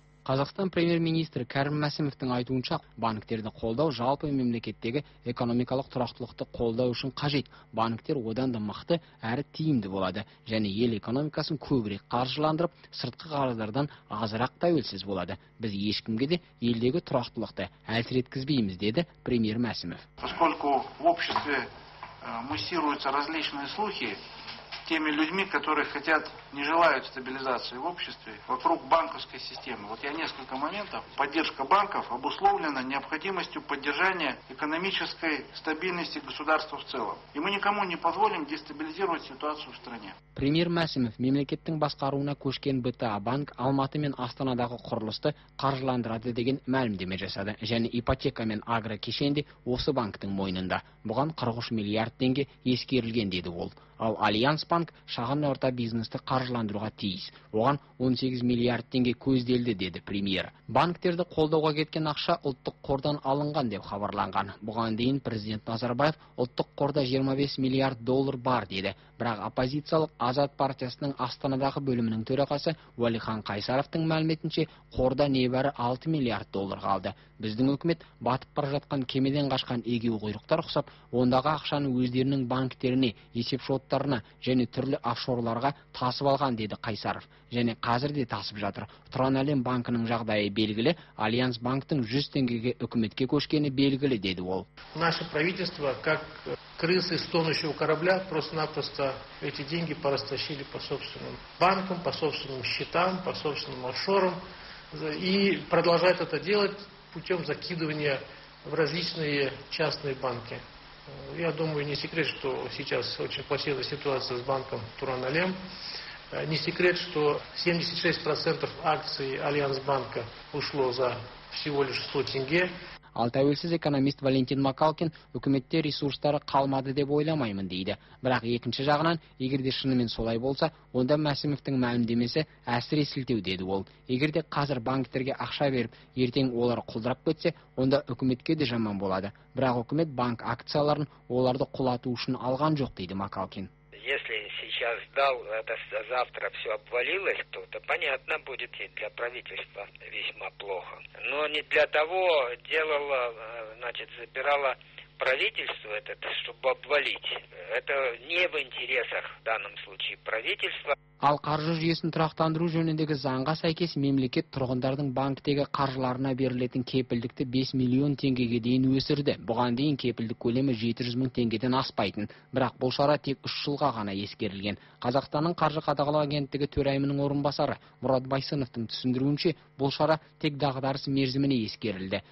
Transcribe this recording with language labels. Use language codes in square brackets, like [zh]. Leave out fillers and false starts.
[kk] Қазақстан премьер-министрі Кәрім Мәсімовтің айтуынша, банктерді қолдау жалпы мемлекеттегі экономикалық тұрақтылықты қолдау үшін қажет. Банктер одан да мықты әрі тиімді болады және ел экономикасын көбірек қаржыландырып, сыртқы қарыздардан азырақ тәуелсіз болады. Біз ешкімге де елдегі тұрақтылықты әлсіреткізбейміз, деді премьер Мәсімов. [ru] Поскольку в обществе муссируются различные слухи, теми людьми, которые хотят, не желают стабилизации в обществе, вокруг банковской системы. Вот я несколько моментов. Поддержка банков обусловлена необходимостью поддержания экономической стабильности государства в целом. И мы никому не позволим дестабилизировать ситуацию в стране. [kk] Премьер Мәсімов мемлекеттің басқаруына көшкен БТА банк Алматы мен Астанадағы құрылысты қаржыландырады деген мәлімдеме жасады. Және ипотека мен агро кешенде осы банктің мойнында. Бұған 43 миллиард теңге ескерілген деді ол. Ал Альянс банк шағын орта бизнесті қаржыландыруға тиіс. Оған 18 миллиард теңге көзделді, деді премьер. Банктерді қолдауға кеткен ақша ұлттық қордан алынған деп хабарланған. Бұған дейін президент Назарбаев ұлттық қорда 25 миллиард доллар бар деді. Бірақ оппозициялық Азат партиясының Астанадағы бөлімінің төрағасы Уәлихан Қайсаровтың мәліметінше қорда небәрі 6 миллиард доллар қалды. Біздің үкімет батып бара жатқан кемеден қашқан егеу құйрықтар құсап, ондағы ақшаны өздерінің банктеріне есеп шоттарына және түрлі офшорларға тасып алған, деді Қайсаров. Және қазір де тасып жатыр. Тұран әлем банкінің жағдайы белгілі, Альянс банктің 100 теңгеге үкіметке көшкені белгілі, деді ол. [ru] Наше правительство, как крысы с тонущего корабля, просто-напросто эти деньги порастащили по собственным банкам, по собственным счетам, по собственным офшорам и продолжает это делать путем закидывания в различные частные банки. Я думаю, не секрет, что сейчас очень плохая ситуация с банком Туран-Алем. Не секрет, что 76% акций Альянс-банка ушло за всего лишь 100 тенге. [kk] Ал тәуелсіз экономист Валентин Макалкин үкіметте ресурстары қалмады деп ойламаймын, дейді. Бірақ екінші жағынан, егер де шынымен солай болса, онда Мәсімовтің мәлімдемесі әсіре сілтеу, деді ол. Егер де қазір банктерге ақша беріп, ертең олар құлдырап кетсе, онда үкіметке де жаман болады. Бірақ үкімет банк акцияларын оларды құлату үшін алған жоқ, дейді Макалкин. [ru] Если сейчас дал, а завтра все обвалилось, то понятно, будет и для правительства весьма плохо. Но не для того делало, значит, забирало правительство это, чтобы обвалить. Это не в интересах в данном случае правительства. [kk] Ал қаржы жүйесін тұрақтандыру жөніндегі заңға сәйкес мемлекет тұрғындардың банктегі қаржыларына берілетін кепілдікті 5 миллион теңгеге дейін өсірді. Бұған дейін кепілдік көлемі 700 мың теңгеден аспайтын. Бірақ бұл шара тек 3 жылға ғана ескерілген. Қазақстанның қаржы қадағалау агенттігі төрайымының орынбасары Мұрат Байсыновтың түсіндіруінше, бұл шара тек дағдарыс мерзіміне ескерілді.